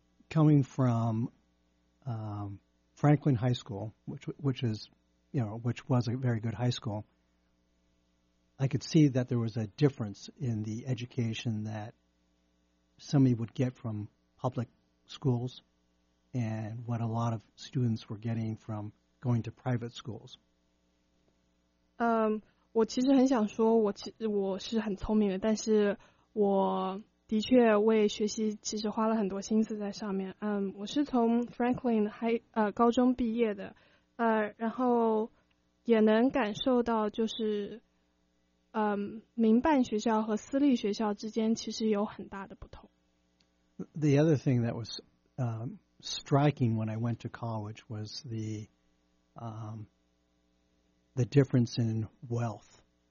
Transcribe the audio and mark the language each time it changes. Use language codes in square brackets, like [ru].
[en] Coming from Franklin High School, which was a very good high school, I could see that there was a difference in the education that somebody would get from public schools and what a lot of students were getting from going to private schools. [zh] 我其实很想说我是很聪明的，但是我的确为学习其实花了很多心思在上面。我是从 Franklin 高中毕业的，然后也能感受到就是民办学校和私立学校之间其实有很大的不同。 [en] The other thing that was striking when I went to college was the difference in wealth.